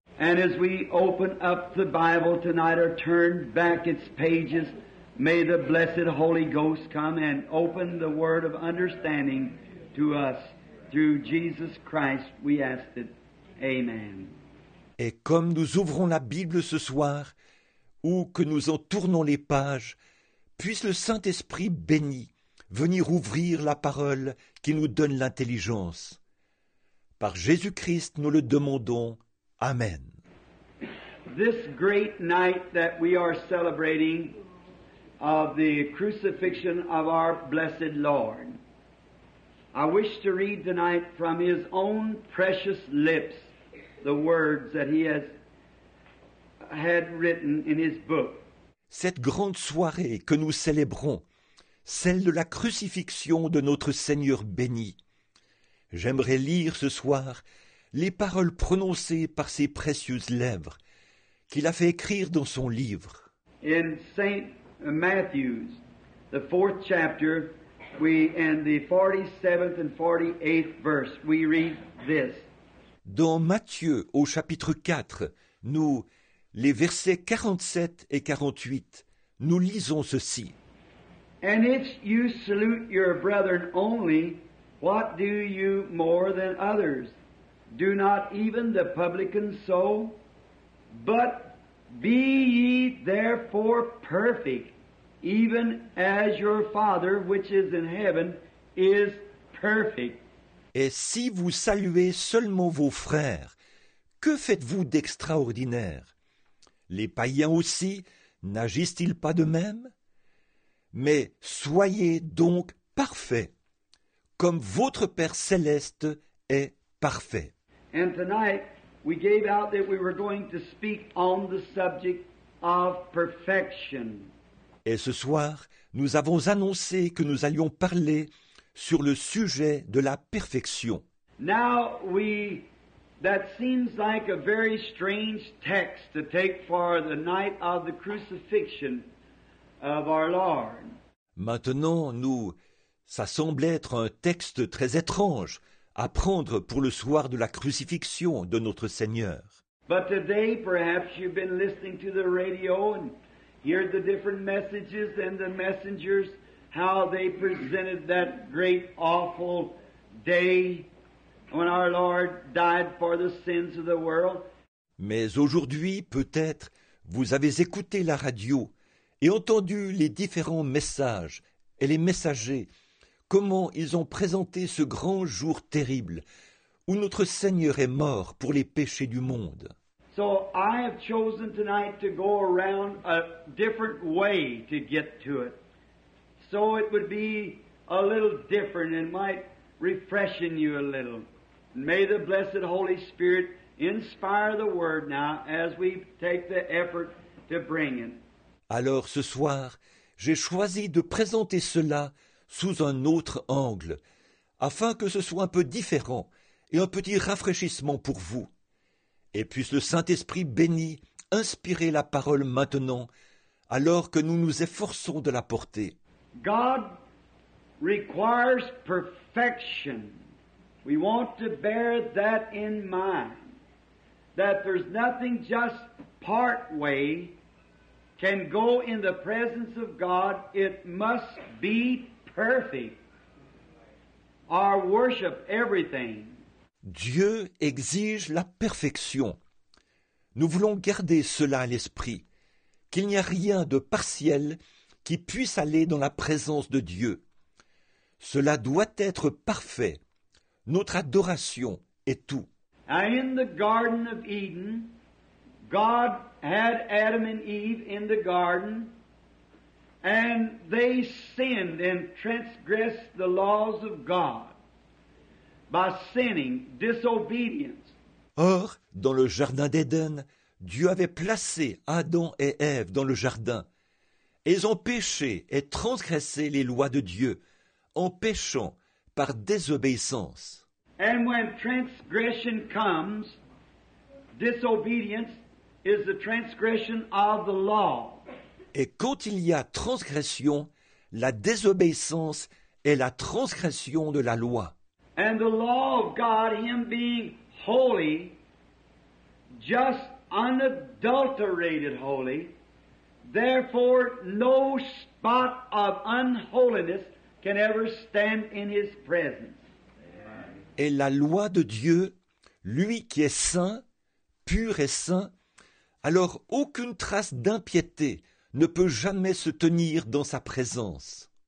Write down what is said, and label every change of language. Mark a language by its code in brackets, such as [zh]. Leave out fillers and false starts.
[en] And as we open up the Bible tonight or turn back its pages, may the blessed Holy Ghost come and open the word of understanding to us. Through Jesus Christ, we ask it. Amen. [fr] Et comme nous ouvrons la Bible ce soir, ou que nous en tournons les pages, puisse le Saint-Esprit béni venir ouvrir la parole qui nous donne l'intelligence. Par Jésus-Christ, nous le demandons. Amen. [en] This great night that we are celebrating of the crucifixion of our blessed Lord, I wish to read tonight from His own precious lips the words that He has had written in His book. [fr] Cette grande soirée que nous célébrons, celle de la crucifixion de notre Seigneur béni, j'aimerais lire ce soir les paroles prononcées par ses précieuses lèvres qu'il a fait écrire dans son livre. [en] In Saint Matthew's, the 4th chapter, we and the 47th and 48th verse, we read this. [fr] Dans Matthieu, au chapitre 4, les versets 47 et 48, nous lisons ceci. [en] And if you salute your brethren only, what do you more than others? Do not even the publicans so? But be ye therefore perfect, even as your Father which is in heaven is perfect. [fr] Et si vous saluez seulement vos frères, que faites-vous d'extraordinaire? Les païens aussi n'agissent-ils pas de même? Mais soyez donc parfaits, comme votre Père céleste est parfait. [en] And tonight, we gave out that we were going to speak on the subject of perfection. [fr] Et ce soir, nous avons annoncé que nous allions parler sur le sujet de la perfection. [en] Now we, that seems like a very strange text to take for the night of the crucifixion of our Lord. [fr] Maintenant, nous, ça semble être un texte très étrange à prendre pour le soir de la crucifixion de notre Seigneur. [en] But today, perhaps you've been listening to the radio and heard the different messages and the messengers, how they presented that great awful day when our Lord died for the sins of the world. [fr] Mais aujourd'hui, peut-être, vous avez écouté la radio et entendu les différents messages et les messagers, comment ils ont présenté ce grand jour terrible où notre Seigneur est mort pour les péchés du monde. [en] So I have chosen tonight to go around a different way to get to it. So it would be a little different and might refreshen you a little. May the blessed Holy Spirit inspire the word now as we take the effort to bring it. [fr] Alors ce soir, j'ai choisi de présenter cela sous un autre angle, afin que ce soit un peu différent et un petit rafraîchissement pour vous. Et puisse le Saint-Esprit béni inspirer la parole maintenant, alors que nous nous efforçons de la porter. [en] God requires perfection. We want to bear that in mind, that there's nothing just part way can go in the presence of God. It must be perfect. Our worship, everything. [fr] Dieu exige la perfection. Nous voulons garder cela à l'esprit, qu'il n'y a rien de partiel qui puisse aller dans la présence de Dieu. Cela doit être parfait. Notre adoration est tout. [en] Now in the Garden of Eden, God had Adam and Eve in the garden, and they sinned and transgressed the laws of God by sinning, disobedience. [fr] Or, dans le jardin d'Éden, Dieu avait placé Adam et Ève dans le jardin. Ils ont péché et transgressé les lois de Dieu en péchant par désobéissance. [en] And when transgression comes, disobedience is the transgression of the law. [fr] Et quand il y a transgression, la désobéissance est la transgression de la loi. [en] And the law of God, Him being holy, just unadulterated holy, therefore no spot of unholiness can ever stand in His presence. [fr] Et la loi de Dieu, lui qui est saint, pur et saint, alors aucune trace d'impiété ne peut jamais se tenir dans sa présence.